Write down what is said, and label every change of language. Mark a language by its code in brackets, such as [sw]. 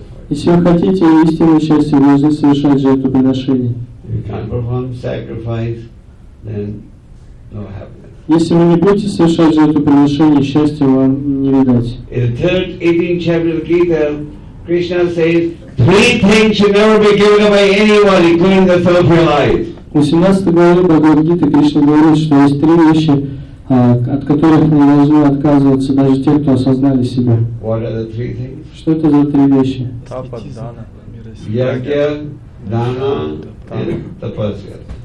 [ru] Если вы хотите истинное счастье, вы должны совершать жертвоприношение. [en] If you can't perform sacrifice, then no happiness. [ru] Если вы не будете совершать жертвоприношение, счастья вам не видать. [en] In the 18th chapter of the Gita, Krishna says, three things should never be given away anyone, including the soul of your life. [ru] В 18 главе Бхагавад-гиты Кришна говорит, что есть три вещи, от которых не должны отказываться даже те, кто осознали себя. [en] What are the three things? [ru] Что это за три вещи? Тапа, дана, ягья, дана и тапасья.